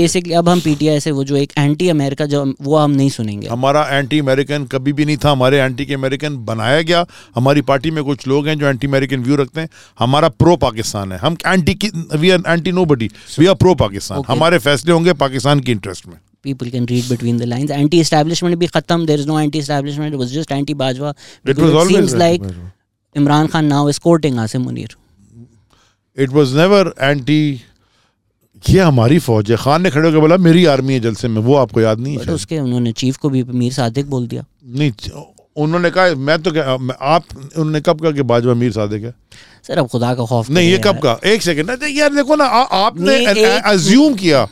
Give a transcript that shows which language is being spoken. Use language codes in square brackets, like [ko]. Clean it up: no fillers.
[ur] Basically اب ہم P T I سے وہ جو ایک اینٹی امریکہ جو وہ ہم نہیں سنیں گے. ہمارا اینٹی امریکن کبھی بھی نہیں تھا, ہمارے اینٹی امریکن بنایا گیا. ہماری پارٹی میں کچھ لوگ ہیں جو اینٹی امریکن ویو رکھتے ہیں. ہمارا پرو پاکستان ہے, ہم anti know body, [en] We are pro Pakistan. [ur] ہمارے فیصلے ہوں گے پاکستان کی انٹرسٹ میں. [en] People can read between the lines. Anti-establishment [ur] bhi khatam. [en] There is no anti-establishment. It was just anti-Bajwa. It was always seems like Bajwa. Imran Khan now is courting Asim Munir. It was never anti. [ur] یہ ہماری فوج ہے. خان نے کھڑے ہو کے بولا میری army ہے جلسے میں, وہ آپ کو یاد نہیں ہے. اس کے انہوں نے چیف کو بھی میر صادق بول دیا. نہیں انہوں نے کہا, میں تو آپ انہوں نے کب کہا کہ باجوا میر صادق ہے؟ سر اب خدا کا خوف نہیں, یہ کب کا؟ ایک سیکنڈ یار, دیکھو نا آپ نے ازیوم کیا.